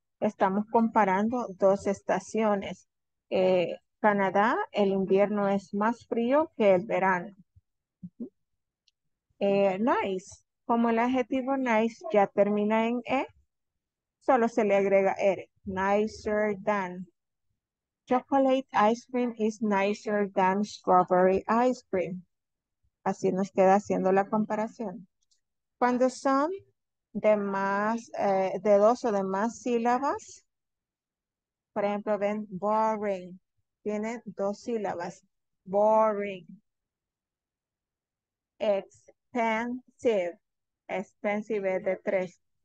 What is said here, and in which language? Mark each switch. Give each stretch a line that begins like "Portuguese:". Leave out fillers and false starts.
Spanish: Estamos comparando dos estaciones. Canadá, el invierno es más frío que el verano. Nice. Como el adjetivo nice ya termina en E, solo se le agrega R.
English: Nicer than. Chocolate ice cream is nicer than strawberry ice cream.
Spanish: Así nos queda haciendo la comparación. Cuando son de más, de dos o de más sílabas, por ejemplo, ven, boring, tiene dos sílabas. Boring. Expensive. Expensive es de tres.